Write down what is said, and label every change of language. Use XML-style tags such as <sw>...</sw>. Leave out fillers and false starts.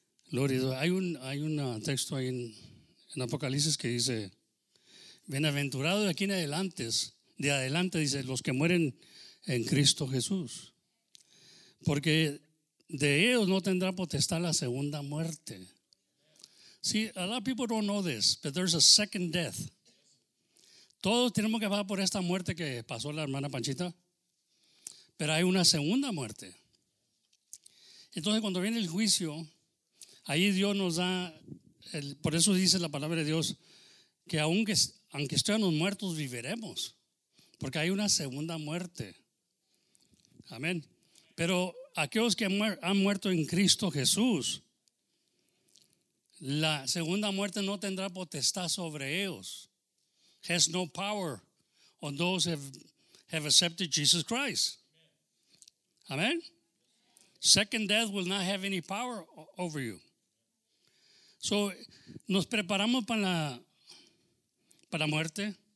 <es>Gloria a Dios. Hay un texto ahí en Apocalipsis que dice: bienaventurados de aquí en adelante, dice, los que mueren en Cristo Jesús. Porque de ellos no tendrá potestad la segunda muerte.</es> <en>See, a lot of people don't know this, but there's a second death.</en> <es>Todos tenemos que pasar por esta muerte que pasó la hermana Panchita. Pero hay una segunda muerte. Entonces, cuando viene el juicio, ahí Dios nos da, por eso dice la palabra de Dios, que aunque estemos muertos, viviremos. Porque hay una segunda muerte. Amén. Pero aquellos que han muerto en Cristo Jesús, la segunda muerte no tendrá potestad sobre ellos.</es> <en>Has no power on those have accepted Jesus Christ. Amén. Second death will not have any power over you. So,</en> <es>nos preparamos para la muerte.</es>